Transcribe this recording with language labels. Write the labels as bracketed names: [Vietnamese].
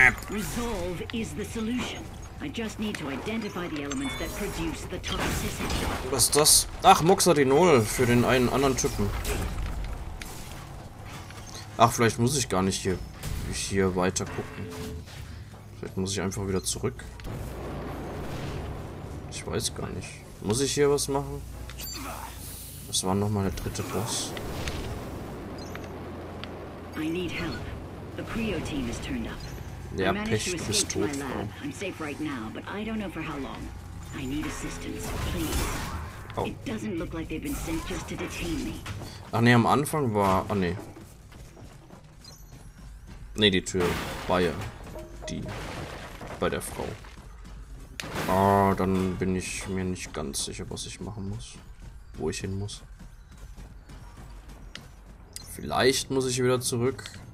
[English] Resolve is the solution. I just need to identify the elements that produce the toxicity. [German] Was ist das? Ach, Moxadinol für den einen anderen Typen. Ach, vielleicht muss ich gar nicht hier weiter gucken. Vielleicht muss ich einfach wieder zurück. Ich weiß gar nicht. Muss ich hier was machen? Das war noch mal der dritte Boss. [English] I need help. The Creo team is turned up. [German] Ja, Pech, du bist tot. [English] I'm safe right now, but I don't know for how long. I need assistance, please. Oh. It doesn't look like they've been sent just to detain me. [German] Ach nee, am Anfang war, ah nee. Nee, die Tür war ja die bei der Frau. Ah, dann bin ich mir nicht ganz sicher, was ich machen muss. Wo ich hin muss. Vielleicht muss ich wieder zurück.